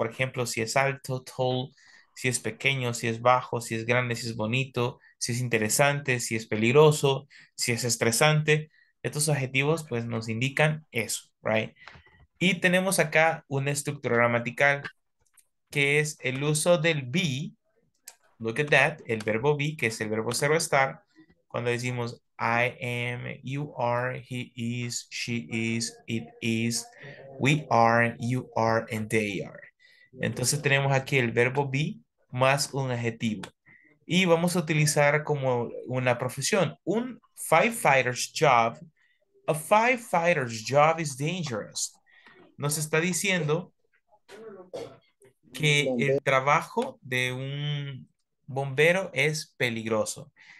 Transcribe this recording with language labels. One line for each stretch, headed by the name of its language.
Spanish: Por ejemplo, si es alto, tall, si es pequeño, si es bajo, si es grande, si es bonito, si es interesante, si es peligroso, si es estresante. Estos adjetivos pues nos indican eso,
English: right?
Spanish: Y tenemos acá una estructura gramatical que es el uso del be. Look at that, el verbo be, que es el verbo ser o estar. Cuando decimos
English: I am, you are, he is, she is, it is, we are, you are, and they are.
Spanish: Entonces tenemos aquí el verbo be más un adjetivo. Y vamos a utilizar como una profesión. Un firefighter's job.
English: A firefighter's job is dangerous.
Spanish: Nos está diciendo que el trabajo de un bombero es peligroso.